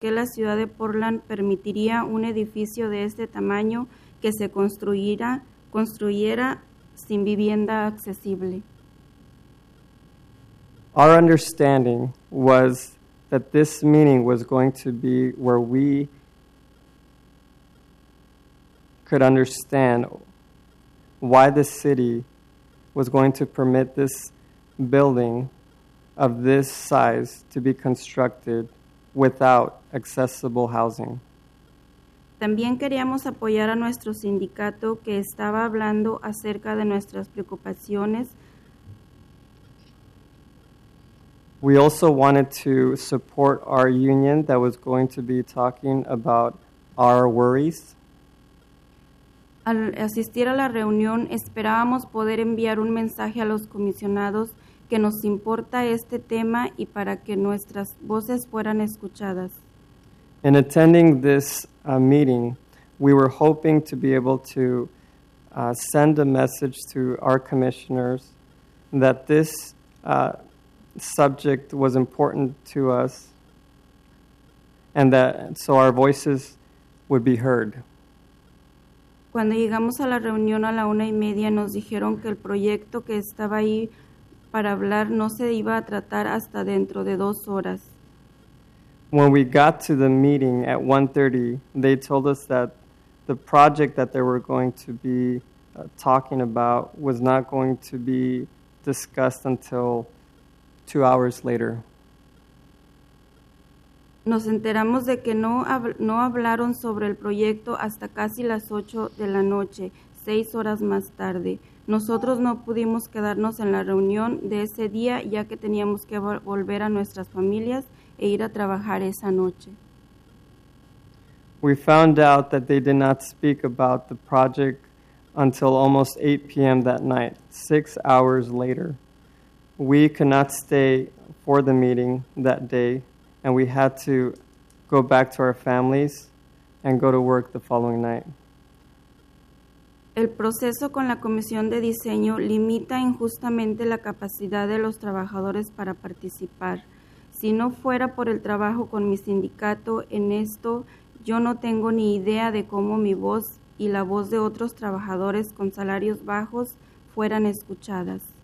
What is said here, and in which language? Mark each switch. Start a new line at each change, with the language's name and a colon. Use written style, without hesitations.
Spanish: que la ciudad de Portland permitiría un edificio de este tamaño que se construyera sin vivienda accesible.
English: Our understanding was that this meeting was going to be where we could understand why the city was going to permit this building of this size to be constructed without accessible housing.
Spanish: También queríamos apoyar a nuestro sindicato que estaba hablando acerca de nuestras preocupaciones.
English: We also wanted to support our union that was going to be talking about our worries.
Spanish: Al asistir a la reunión, esperábamos poder enviar un mensaje a los comisionados que nos importa este tema y para que nuestras voces fueran escuchadas.
English: In attending this meeting, we were hoping to be able to send a message to our commissioners that this subject was important to us and that so our voices would be heard.
Spanish: Cuando llegamos a la reunión a la una y media, nos dijeron que el proyecto que estaba ahí para hablar no se iba a tratar hasta dentro de dos horas.
English: When we got to the meeting at 1:30, they told us that the project that they were going to be talking about was not going to be discussed until 2 hours later.
Spanish: Nos enteramos de que no hablaron sobre el proyecto hasta casi las 8 de la noche, 6 horas más tarde. Nosotros no pudimos quedarnos en la reunión de ese día ya que teníamos que volver a nuestras familias e ir a trabajar esa noche.
English: We found out that they did not speak about the project until almost 8 p.m. that night, 6 hours later. We could not stay for the meeting that day, and we had to go back to our families and go to work the following night.
Spanish: El proceso con la comisión de diseño limita injustamente la capacidad de los trabajadores para participar. Si no fuera por el trabajo con mi sindicato en esto, yo no tengo ni idea de cómo mi voz y la voz de otros trabajadores con salarios bajos fueran escuchadas.